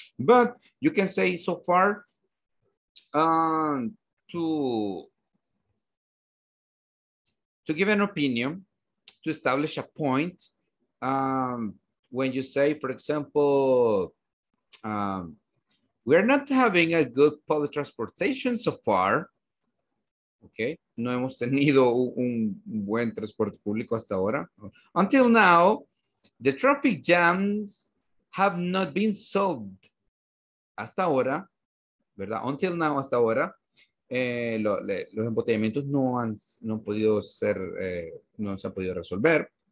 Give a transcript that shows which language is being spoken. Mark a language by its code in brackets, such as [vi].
[en] But you can say so far to give an opinion, to establish a point. When you say, for example, we're not having a good public transportation so far. Okay. [es] No hemos tenido un buen transporte público hasta ahora. [en] Until now, the traffic jams have not been solved. [es] Hasta ahora, ¿verdad? [en] Until now, [es] hasta ahora, los embotellamientos no se han podido resolver.